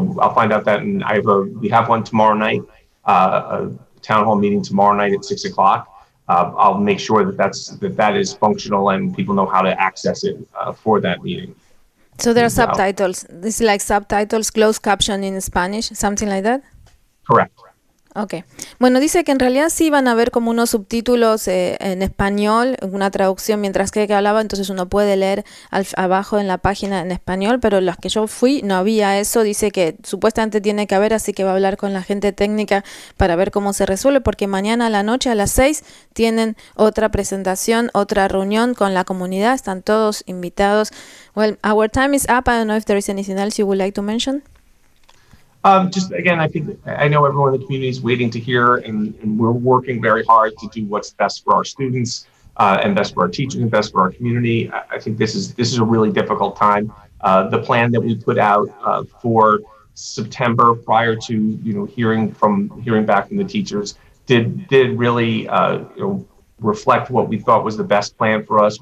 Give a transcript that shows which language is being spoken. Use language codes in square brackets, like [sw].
[en] So I'll find out that, and we have one tomorrow night, a town hall meeting tomorrow night at 6:00. I'll make sure that is functional and people know how to access it for that meeting. So there are subtitles. This is like subtitles, closed caption in Spanish, something like that? Correct. Okay. [es] Bueno, dice que en realidad sí van a haber como unos subtítulos en español, una traducción mientras que hablaba, entonces uno puede leer abajo en la página en español, pero los que yo fui no había eso. Dice que supuestamente tiene que haber, así que va a hablar con la gente técnica para ver cómo se resuelve, porque mañana a la noche a las 6 tienen otra presentación, otra reunión con la comunidad, están todos invitados. [en] Well, our time is up. I don't know if there is anything else you would like to mention. Just again, I know everyone in the community is waiting to hear, and we're working very hard to do what's best for our students, and best for our teachers, and best for our community. I think this is a really difficult time. The plan that we put out for September, prior to, you know, hearing back from the teachers, did really reflect what we thought was the best plan for us.